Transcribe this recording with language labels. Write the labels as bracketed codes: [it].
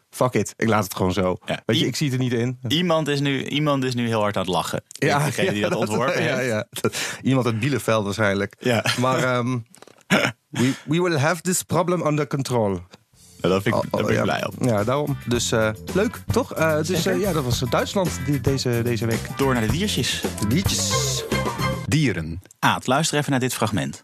[en] fuck it, [nl] ik laat het gewoon zo. Ja. Weet je, ik zie het er niet in. Iemand is nu heel hard aan het lachen. Ja, degene die dat ontworpen heeft. Ja. Iemand uit Bielefeld waarschijnlijk. Ja. [en] Maar we will have this problem under control. [nl] Ja, dat vind ik, daar ben ik blij op. Ja, daarom. Dus leuk, toch? Dat was Duitsland deze week. Door naar de diertjes. De diertjes. Dieren. Aad, luister even naar dit fragment.